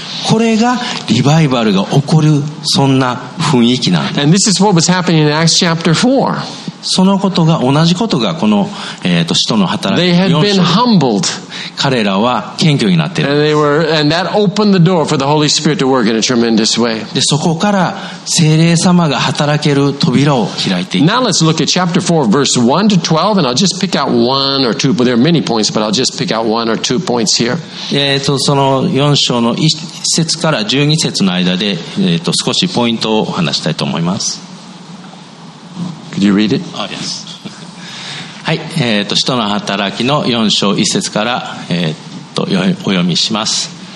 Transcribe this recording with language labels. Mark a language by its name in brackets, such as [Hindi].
[Japanese] これがリバイバルが起こるそんな雰囲気なんです。 [English] And this is what was happening in Acts chapter 4. [Japanese] そのことが同じことがこの使徒の働きの4 [English] 章。They had been humbled. [Japanese] 彼らは謙虚になっている。 [English] And that opened the door for the Holy Spirit to work in a tremendous way. [Japanese] でそこから聖霊様が働ける扉を開いていく。 [English] Now let's look at chapter 4 verse 1 to 12 and I'll just pick out one or two, but there are many points, but I'll just pick out one or two points here. [Japanese] その4章の1節から12節の間で少しポイントをお話したいと思います。 [English] Could you read it? Oh, yes. [Japanese] はい、使徒の働きの4章1節から、お読みします。